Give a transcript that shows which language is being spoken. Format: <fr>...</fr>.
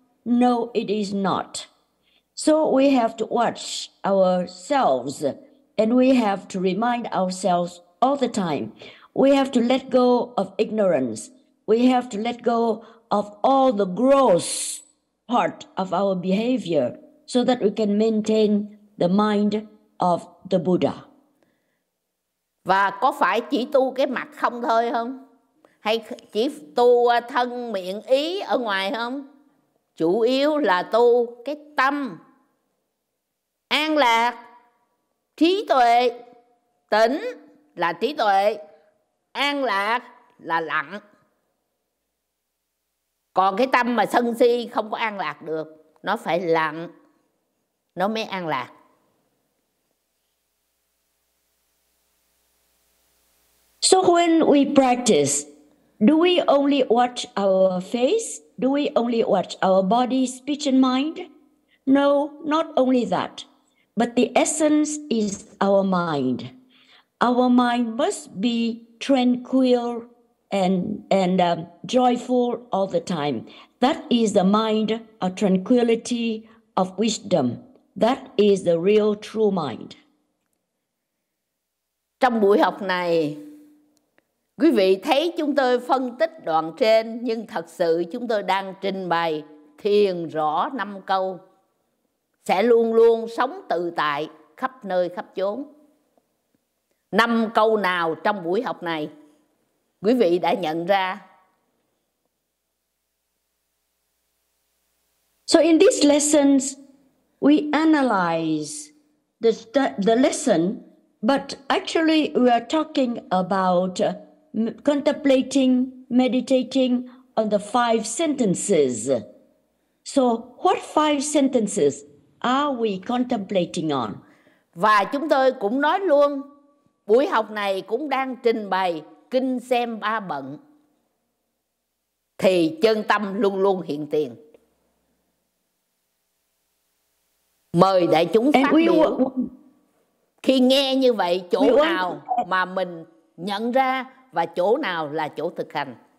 <en>No, it is not. So we have to watch ourselves, and we have to remind ourselves all the time. We have to let go of ignorance. We have to let go of all the gross part of our behavior so that we can maintain the mind of the Buddha.</en> <vi>Và có phải chỉ tu cái mặt không thôi không? Hay chỉ tu thân, miệng, ý ở ngoài không? chủ yếu là tu cái tâm an lạc, trí tuệ, tỉnh là trí tuệ, an lạc là lặng. Còn cái tâm mà sân si không có an lạc được, nó phải lặng, nó mới an lạc.</vi> <en>So when we practice, do we only watch our face? Do we only watch our body, speech and mind? No, not only that. But the essence is our mind. Our mind must be tranquil and joyful all the time. That is the mind of tranquility, of wisdom. That is the real true mind.</en> <vi>Trong buổi học này, quý vị thấy chúng tôi phân tích đoạn trên, nhưng thật sự chúng tôi đang trình bày thiền rõ năm câu sẽ luôn luôn sống tự tại khắp nơi khắp chốn. Năm câu nào trong buổi học này quý vị đã nhận ra?</vi> <en>So in these lessons we analyze the lesson, but actually we are talking about contemplating, meditating on the five sentences. So what five sentences are we contemplating on?</en> <vi>Và chúng tôi cũng nói luôn, buổi học này cũng đang trình bày kinh xem ba bận, thì chân tâm luôn luôn hiện tiền. Mời đại chúng phát biểu. Khi nghe như vậy, chỗ nào mà mình nhận ra và chỗ nào là chỗ thực hành?</vi>